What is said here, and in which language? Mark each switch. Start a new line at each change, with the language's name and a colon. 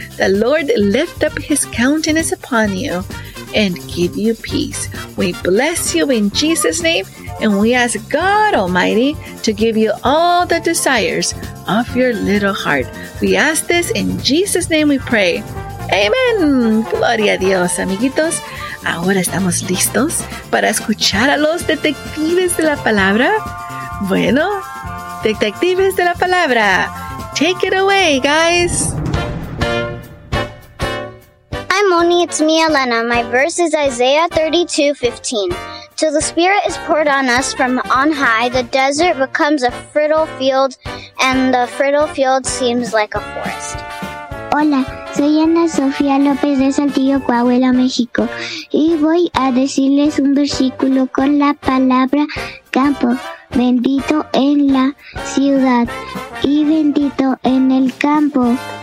English: The Lord lift up his countenance upon you and give you peace. We bless you in Jesus' name, and we ask God Almighty to give you all the desires of your little heart. We ask this in Jesus' name we pray.
Spanish: Amen. Gloria a Dios, amiguitos. Ahora estamos listos para escuchar a los detectives de la palabra. Bueno, detectives de la palabra.
English: Take it away, guys. Hi, Moni. It's me, Elena. My verse is Isaiah 32:15. Till the Spirit is poured on us from on high, the desert becomes a fertile field, and the fertile field seems like a forest.
Spanish: Hola, soy Ana Sofía López de Saltillo, Coahuila, México, y voy a decirles un versículo con la palabra campo. Bendito en la ciudad y bendito en el campo.